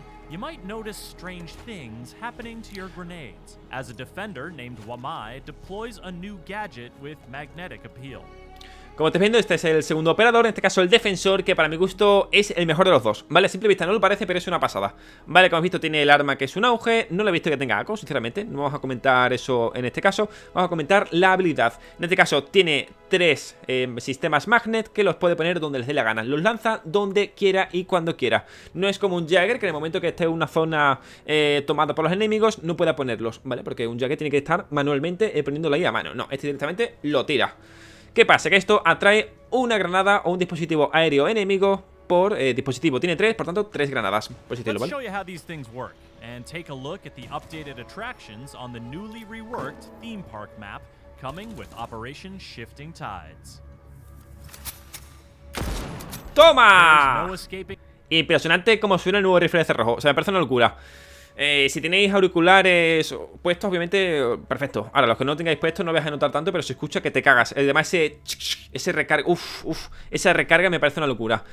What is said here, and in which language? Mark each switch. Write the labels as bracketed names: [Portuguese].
[English] You might notice strange things happening to your grenades as a defender named Wamai deploys a new gadget with magnetic appeal. [Spanish] Como estáis viendo, este es el segundo operador, en este caso el defensor, que para mi gusto es el mejor de los dos. Vale, a simple vista no lo parece, pero es una pasada. Vale, como habéis visto, tiene el arma que es un auge. No lo he visto que tenga ACO, sinceramente. No vamos a comentar eso en este caso. Vamos a comentar la habilidad. En este caso tiene tres sistemas magnet que los puede poner donde les dé la gana. Los lanza donde quiera y cuando quiera. No es como un Jagger, que en el momento que esté en una zona tomada por los enemigos, no pueda ponerlos, ¿vale? Porque un Jagger tiene que estar manualmente poniéndolo ahí a mano. No, este directamente lo tira. ¿Qué pasa? Que esto atrae una granada o un dispositivo aéreo enemigo por dispositivo. Tiene tres, por tanto, tres granadas. Por decirlo, ¿vale? [English] Let's show you how these things work and take a look at the updated attractions on the newly reworked theme park map coming with Operation Shifting Tides. [Spanish] ¡Toma! Impresionante cómo suena el nuevo rifle de cerrojo. O sea, me parece una locura. Si tenéis auriculares puestos, obviamente, perfecto. Ahora, los que no tengáis puestos no vais a notar tanto, pero se escucha que te cagas. Además, ese recarga, esa recarga me parece una locura.